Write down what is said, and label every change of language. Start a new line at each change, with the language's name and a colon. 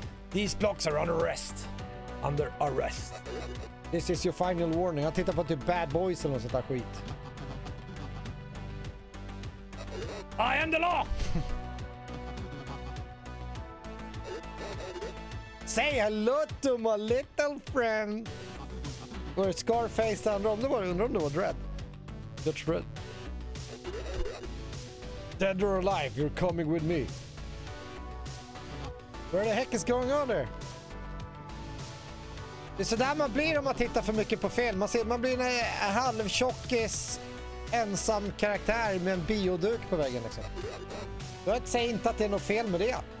English: These blocks are under arrest. Under arrest. This is your final warning.
Swedish: Jag tittar på typ Bad Boys eller något sånt där skit.
English: I am the law. Say hello to my little friend! Or Scarface,
Swedish: undrar om det var Dread.
English: That's Dread. Dead or alive, you're coming with me. What the heck is going on there?
Swedish: Det är sådär man blir om man tittar för mycket på fel. Man ser, man blir en halvtjockis ensam karaktär med en bioduk på vägen liksom. Jag säger inte att det är något fel med det.